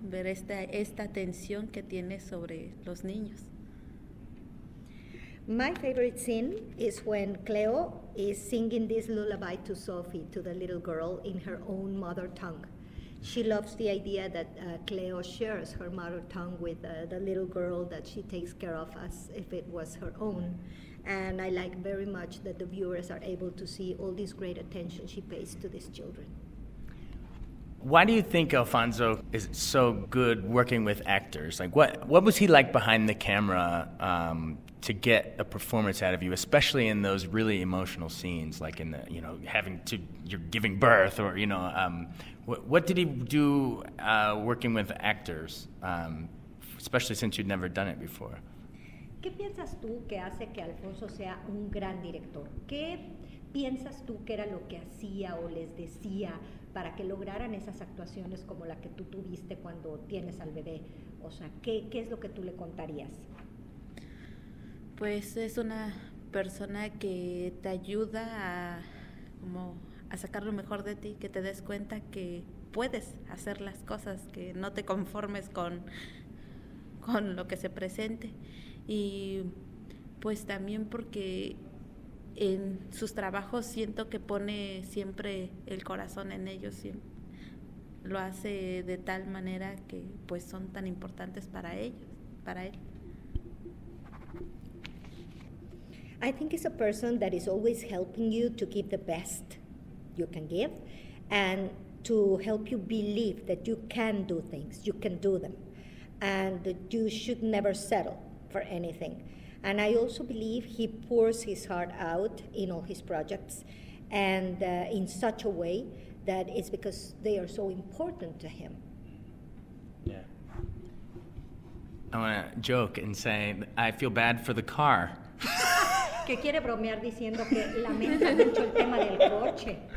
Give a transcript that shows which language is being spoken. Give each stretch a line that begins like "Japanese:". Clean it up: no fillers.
Spanish: Ver esta tensión que tiene sobre los niños.
English: My favorite scene is when Cleo is singing this lullaby to Sophie, to the little girl, in her own mother tongue. She loves the idea that Cleo shares her mother tongue with the little girl that she takes care of as if it was her own. And I like very much that the viewers are able to see all this great attention she pays to these children. Why do you think Alfonso is so good working with actors? Like, what was he like behind the camera to get a performance out of you, especially in those really emotional scenes, like in the, you know, having to, you're giving birth, or, you know, what did he do working with actors, especially since you'd never done it before?
Spanish: ¿Qué piensas tú que hace que Alfonso sea un gran director? ¿Qué piensas tú que era lo que hacía o les decía para que lograran esas actuaciones como la que tú tuviste cuando tienes al bebé? O sea, ¿qué es lo que tú le contarías? Pues es una persona que te ayuda a sacar lo mejor de ti, que te des cuenta que puedes hacer las cosas, que no te conformes con lo que se presente. Y pues también porque en sus trabajos siento que pone siempre el corazón en ellos, siempre lo hace de tal manera que pues son tan importantes para ellos, para él.
English: I think it's a person that is always helping you to give the best you can give and to help you believe that you can do things, you can do them, and that you should never settle for anything. And I also believe he pours his heart out in all his projects and in such a way that it's because they are so important to him. Yeah. I want to joke and say I feel bad for the car.
Spanish: Que quiere bromear diciendo que lamenta mucho el tema del coche.